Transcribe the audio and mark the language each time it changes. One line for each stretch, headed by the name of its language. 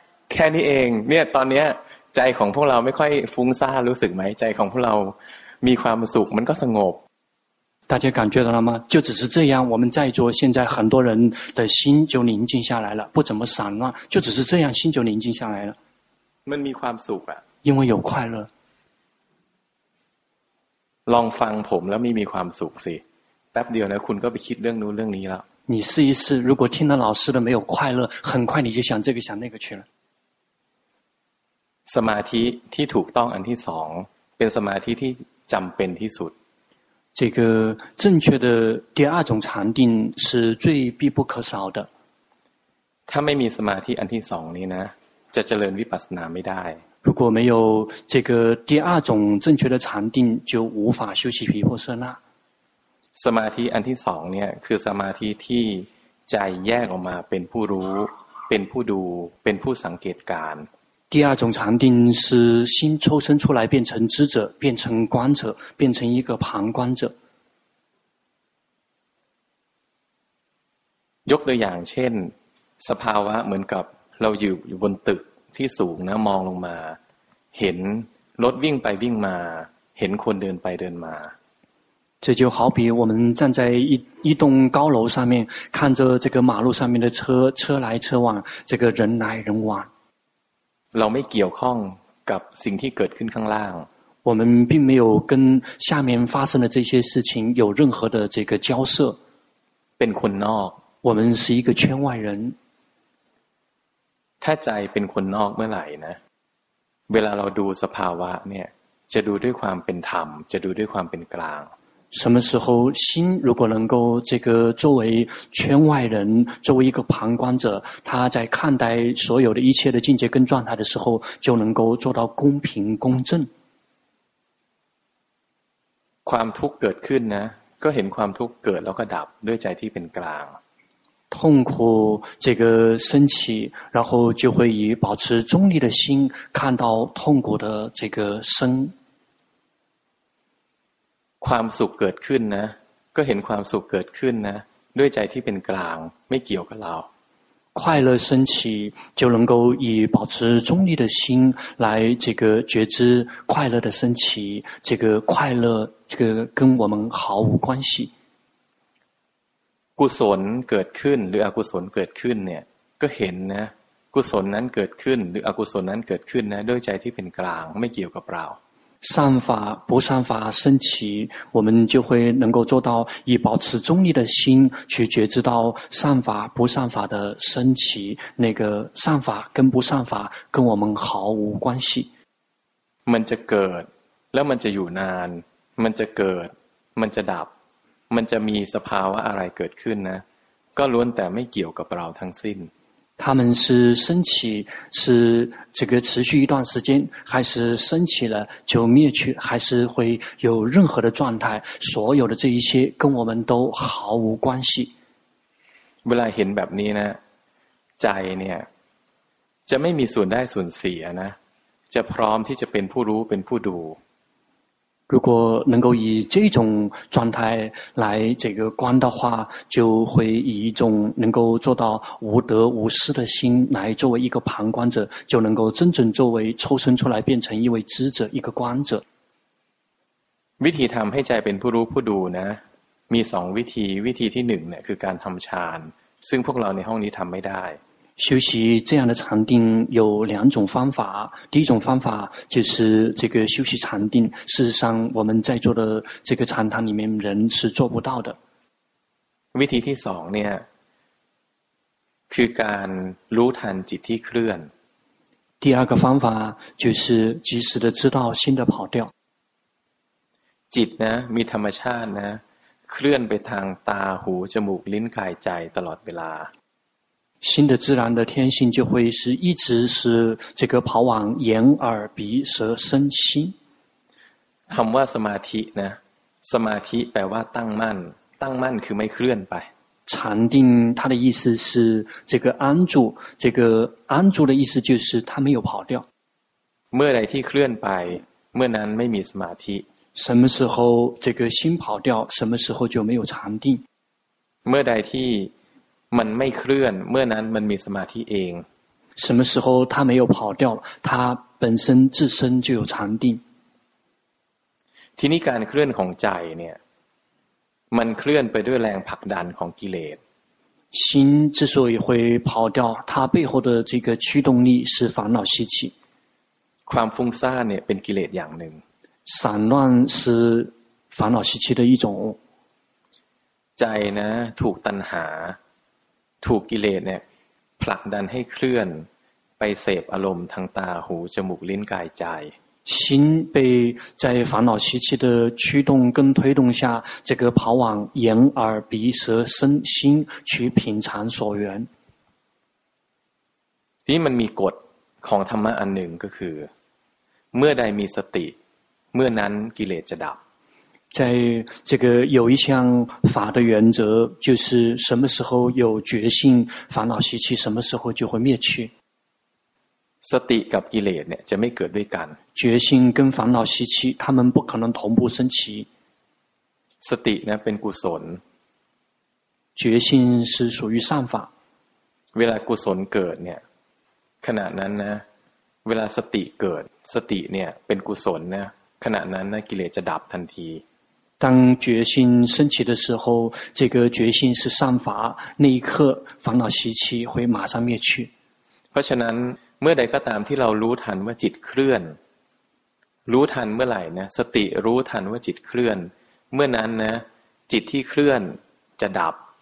Thai: แค่นี้เองเนี่ยตอนเนี้ยใจของพวกเราไม่ค่อยฟุ้งซ่านรู้สึกไหมใจของพวกเรามีความสุขมันก็สงบ
Chinese: 大家感觉到了吗就只是这样我们在座现在很多人的心就宁静下来了不怎么散乱就只是这样心就宁静下来了
Thai: มันมีความสุขอะ
Chinese: 因为有快乐
Thai: ลองฟังผมแล้วไม่มีความสุขสิแป๊บเดียวนะคุณก็ไปคิดเรื่องนู้นเรื่องนี้แล้ว
Chinese: 你试一试如果听了老师的没有快乐很快你就想这个想那个去了
Thai: สมาธิที่ถูกต้องอันที่สองเป็นสมาธิที่จำเป็นที่สุด
Chinese: 这个正确的第二种禅定是最必不可少的
Thai: ถ้าไม่มีสมาธิอันที่สองนี้นะจะเจริญวิปัสสนาไม่ได้
Chinese: 如果没有这个第二种正确的禅定就无法修习毗婆舍那
Thai: สมาธิอันที่สองเนี่ยคือสมาธิที่ใจแยกออกมาเป็นผู้รู้เป็นผู้ดูเป็นผู้สังเกตการ
Chinese: 第二种禅定是心抽身出来变成知者变成观者变成一个旁观者
Thai: ยกตัวอย่างเช่นสภาวะเหมือนกับเราอยู่บนตึกที่สูงนะมองลงมาเห็นรถวิ่งไปวิ่งมาเห็นคนเดินไปเดินมา
Chinese: 这就好比我们站在一栋高楼上面看着这个马路上面的车来车往这个人来人往
Thai: เราไม่เกี่ยวข้องกับสิ่งที่เกิดขึ้นข้างล่าง
Chinese: 我们并没有跟下面发生的这些事情有任何的这个交涉
Thai: เป็นคนนอก
Chinese: 我们是一个圈外人
Thai: ถ้าใจเป็นคนนอกเมื่อไหร่นะเวลาเราดูสภาวะเนี่ยจะดูด้วยความเป็นธรรมจะดูด้วยความเป็นกลาง
Chinese: 什么时候心如果能够这个作为圈外人作为一个旁观者他在看待所有的一切的境界跟状态的时候就能够做到公平公正
Thai: ความทุกข์เกิดขึ้นนะก็เห็นความทุกข์เกิดแล้วก็ดับด้วยใจที่เป็นกลาง
Chinese: 痛苦这个升起然后就会以保持中立的心看到痛苦的这个生
Thai: ความสุขเกิดขึ้นนะก็เห็นความสุขเกิดขึ้นนะด้วยใจที่เป็นกลางไม่เกี่ยวกับเรา
Chinese: 快乐升起就能够以保持中立的心来这个觉知快乐的升起这个快乐这个跟我们毫无关系
Thai: กุศลเกิดขึ้นหรืออกุศลเกิดขึ้นเนี่ยก็เห็นนะกุศลนั้นเกิดขึ้นหรืออกุศลนั้นเกิดขึ้นนะด้วยใจที่เป็นกลางไม่เกี่ยวกับเรา
Chinese: 善法不善法升起我们就会能够做到以保持中立的心去觉知到善法不善法的升起那个善法跟不善法跟我们毫无关系
Thai: มันจะเกิดแล้วมันจะอยู่นานมันจะเกิดมันจะดับมันจะมีสภาวะอะไรเกิดขึ้นนะก็ล้วนแต่ไม่เกี่ยวกับเราทั้งสิ้น
Chinese: 他们是升起是这个持续一段时间还是升起了就灭去还是会有任何的状态所有的这一些跟我们都毫无关系
Thai: เวลาเห็นแบบนี้นะใจเนี่ยจะไม่มีส่วนได้ส่วนเสียนะจะพร้อมที่จะเป็นผู้รู้เป็นผู้ดู
Chinese: 如果能够以这种状态来这个观的话就会以一种能够做到无得无失的心来作为一个旁观者就能够真正作为抽身出来变成一位知者一个观者
Thai: วิธีทำให้ใจเป็นผู้รู้ผู้ดูนะมีสองวิธีวิธีที่หนึ่งเนี่ยคือการทำฌานซึ่งพวกเราในห้องนี้ทำไม่ได้
Chinese: 修习这样的禅定有两种方法第一种方法就是这个修习禅定事实上我们在座的这个禅堂里面人是做不到的
Thai: วิธีที่สองเนี่ยคือการรู้ทันจิตที่เคลื่อน
Chinese: 第二个方法就是及时的知道心的跑掉
Thai: จิตนะมีธรรมชาตินะเคลื่อนไปทางตาหูจมูกลิ้นกายใจตลอดเวลา
Chinese: 心的自然的天性就会是一直是这个跑往眼耳鼻舌身心
Thai: คำว่าสมาธินะสมาธิแปลว่าตั้งมั่นตั้งมั่นคือไม่เคลื่อนไป
Chinese: 禅定它的意思是这个安住这个安住的意思就是它没有跑掉
Thai: เมื่อใดที่เคลื่อนไปเมื่อนั้นไม่มีสมาธิ
Chinese: 什么时候这个心跑掉什么时候就没有禅定
Thai: เมื่อใดที่มันไม่เคลื่อนเมื่อนั้นมันมีสมาธิเอง
Chinese: 什么时候它没有跑掉它本身自身就有禅定
Thai: ทีนี้การเคลื่อนของใจเนี่ยมันเคลื่อนไปด้วยแรงผลักดันของกิเลส
Chinese: 心之所以会跑掉它背后的这个驱动力是烦恼习气
Thai: ความฟุ้งซ่านเนี่ยเป็นกิเลสอย่างหนึ่ง
Chinese: 散乱是烦恼习气的一种
Thai: ใจนะถูกตัณหาถูกกิเลสเนี่ยผลักดันให้เคลื่อน ไปเสพอารมณ์ทางตาหูจมูกลิ้นกายใจ
Chinese: 心被在烦恼习气的驱动跟推动下，这个跑往眼耳鼻舌身心去品尝所缘。
Thai: นี่มันมีกฎของธรรมะอันหนึ่งก็คือเมื่อใดมีสติเมื่อนั้นกิเลสจะดับ
Chinese: 在这个有一项法的原则，就是什么时候有觉性，烦恼习气什么时候就会灭去。
Thai: สติกับกิเลสเนี่ยจะไม่เกิดด้วยกัน
Chinese: 觉性跟烦恼习气，他们不可能同步升起。
Thai: สตินะเป็นกุศล
Chinese: 觉性是属于善法。
Thai: เวลากุศลเกิดเนี่ยขณะนั้นนะเวลาสติเกิดสติเนี่ยเป็นกุศลนะขณะนั้นนะกิเลสจะดับทันที
Chinese: 当觉性升起的时候，这个觉性是善法，那一刻烦恼习气会马上灭去。
Thai: เพราะฉะนั้นเมื่อใดก็ตามที่เรารู้ทันว่าจิตเคลื่อนรู้ทันเมื่อไหร่นะสติรู้ทันว่าจิตเคลื่อนเมื่อนั้นนะจิตที่เคลื่อนจะดับ